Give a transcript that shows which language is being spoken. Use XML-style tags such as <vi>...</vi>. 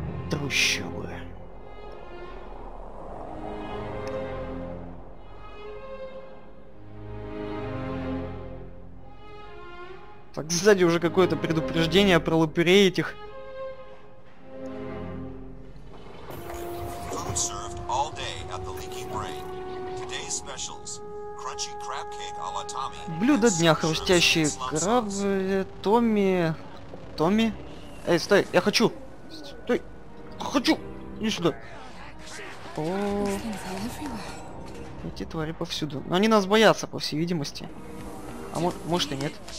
<ru>Трущобы. Так, сзади уже какое-то предупреждение про лупырей этих.</ru> <en>Food served all day at the Leaky Brain. Today's specials. Crunchy crab cake a la Tommy.</en> <ru>Блюдо дня, хрустящие крабы. Томми. Томми? Эй, стой, я хочу! Стой! Хочу! Иди сюда! О, эти твари повсюду. Но они нас боятся, по всей видимости. А может и нет.</ru>